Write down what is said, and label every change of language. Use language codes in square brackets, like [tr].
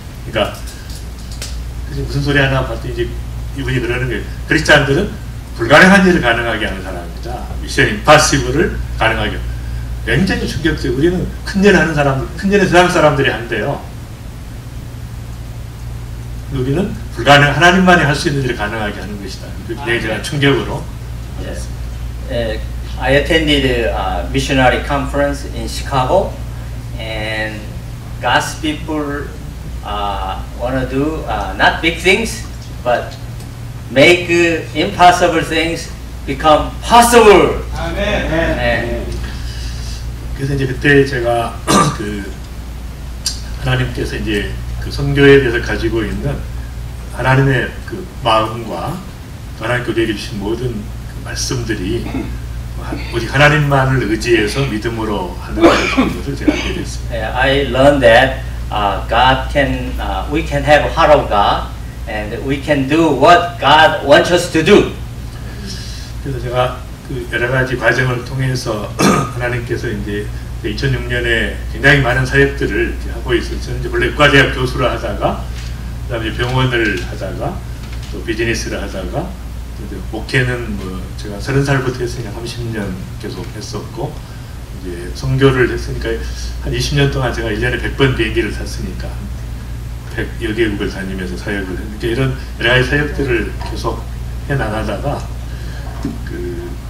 [ko] 그러니까 무슨 소리 하나 봤더니 이제 이분이 그러는 게 크리스찬들은 불가능한 일을 가능하게 하는 사람입니다. 미션 임파시블을 가능하게. 굉장히 충격적. 우리는 큰일 하는 사람들, 큰일의 세상 사람들이 한대요. 우리는 불가능, 하나님만이 할 수 있는 일을 가능하게 하는 것이다. 굉장히 제가 충격으로. [en] Yes. I attended a missionary conference in Chicago, and God's people want to do not big things, but make impossible things become possible. Amen. Amen. [ko] 그래서 이제 그때 제가 그 하나님께서 이제 그 선교에 대해서 가지고 있는 하나님의 그 마음과 하나님께 우리에게 주신 모든 그 말씀들이 오직 하나님만을 의지해서 믿음으로 하는 것을 제가 알게 됐습니다. [en] Yeah, I learned that God can, we can have heart of God, and we can do what God wants us to do. [ko] 그래서 제가 그 여러 가지 과정을 통해서 하나님께서 이제 2006년에 굉장히 많은 사역들을 하고 있어요. 저는 이제 원래 의과대학 교수를 하다가, 그 다음에 병원을 하다가, 또 비즈니스를 하다가, 또 이제 목회는 뭐 제가 30살부터 했으니까 30년 계속 했었고, 이제 선교를 했으니까 한 20년 동안 제가 1년에 100번 비행기를 탔으니까, 100여 개국을 다니면서 사역을 했는데, 이런 여러 가지 사역들을 계속 해 나가다가, 그